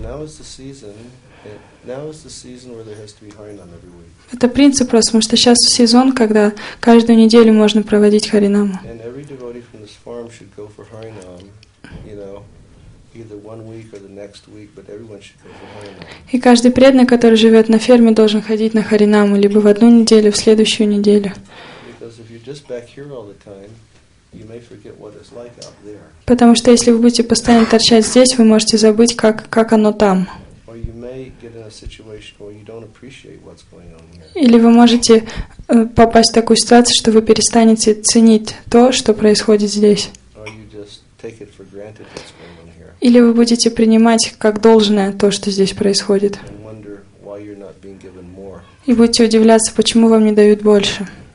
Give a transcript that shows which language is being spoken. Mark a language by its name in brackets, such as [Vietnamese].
[English] Now is the season where there has to be Harinam every week. [Russian] Это принцип просто, потому что сейчас сезон, когда каждую неделю можно проводить Харинаму. [English] And every devotee from this farm should go for Harinam, you know, either 1 week or the next week, but everyone should go for Harinam. [Russian] И каждый преданный, который живет на ферме, должен ходить на Харинаму либо в одну неделю, в следующую неделю. [English] Because if you're just back here all the time, you may forget what it's like out there. [Russian] Потому что если вы будете постоянно торчать здесь, вы можете забыть, как оно там. [English] Or you may get in a situation where you don't appreciate what's going on here. [Russian] Или вы можете попасть в такую ситуацию, что вы перестанете ценить то, что происходит здесь. [English] Or you just take it for granted what's going on here. [Russian] Или вы будете принимать как должное то, что здесь происходит. [English] And wonder why you're not being given more. [Russian] И будете удивляться, почему вам не дают больше.